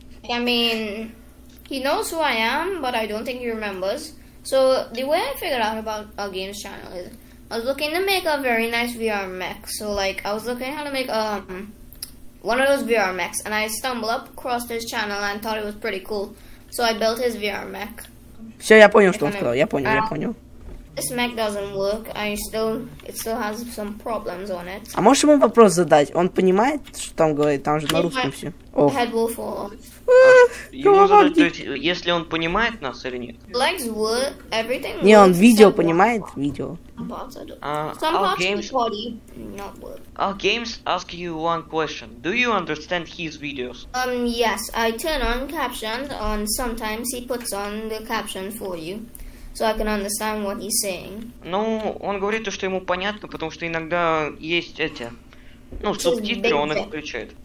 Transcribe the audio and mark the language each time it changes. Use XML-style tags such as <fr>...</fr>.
<en>I mean, he knows who I am, but I don't think he remembers. So, the way I figured out about a game's channel is, I was looking to make a very nice VR mech. So, like, I was looking how to make one of those VR mechs, and I stumbled up across his channel and thought it was pretty cool. So, I built his VR mech.</en> <ru>Все, я понял, что он сказал. Я понял.</ru> <en>This mech doesn't work. It still has some problems on it.</en> <ru>А можешь ему вопрос задать? Он понимает, что там говорит? Там же на русском все.</ru> <en>Head will fall off.</en> <ru>Ему задать, то есть, если он понимает нас или нет?</ru> <en>Legs work, everything</en> <ru>works. Не, он видео понимает, видео.</ru> <en>Some parts of the body not work. Our games ask you one question. Do you understand his videos? Yes. I turn on captions, and sometimes he puts on the caption for you. So I can understand what he's saying.</en> <ru>Ну, он говорит то, что ему понятно, потому что иногда есть эти... Ну, субтитры, он их включает.</ru>